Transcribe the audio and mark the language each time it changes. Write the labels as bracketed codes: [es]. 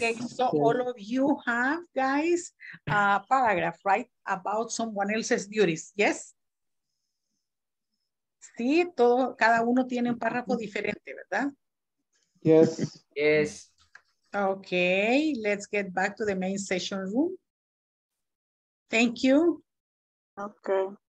[en] Okay, so all of you have, guys, a paragraph, right, about someone else's duties. Yes? [es] Sí, todo, cada uno tiene un párrafo diferente, ¿verdad? [en] Yes. Yes. Okay, let's get back to the main session room. Thank you. Okay.